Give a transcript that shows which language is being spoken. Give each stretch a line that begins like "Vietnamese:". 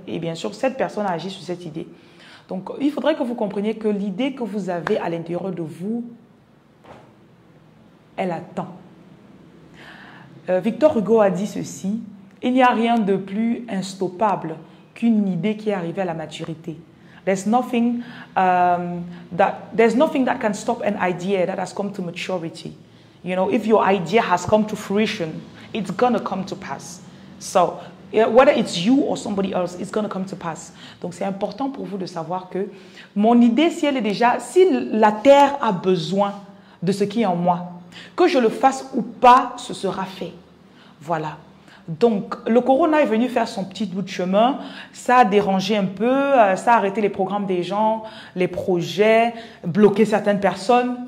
French: Et bien sûr, cette personne a agi sur cette idée. Donc, il faudrait que vous compreniez que l'idée que vous avez à l'intérieur de vous, elle attend. Victor Hugo a dit ceci: il n'y a rien de plus instoppable qu'une idée qui est arrivée à la maturité.
English: There's nothing that can stop an idea that has come to maturity. You know, if your idea has come to fruition, it's gonna come to pass. So, whether it's you or somebody else, it's gonna come to pass.
French: Donc, c'est important pour vous de savoir que mon idée, si elle est déjà, si la terre a besoin de ce qui est en moi, que je le fasse ou pas, ce sera fait. Voilà. Donc, le corona est venu faire son petit bout de chemin. Ça a dérangé un peu, ça a arrêté les programmes des gens, les projets, bloqué certaines personnes.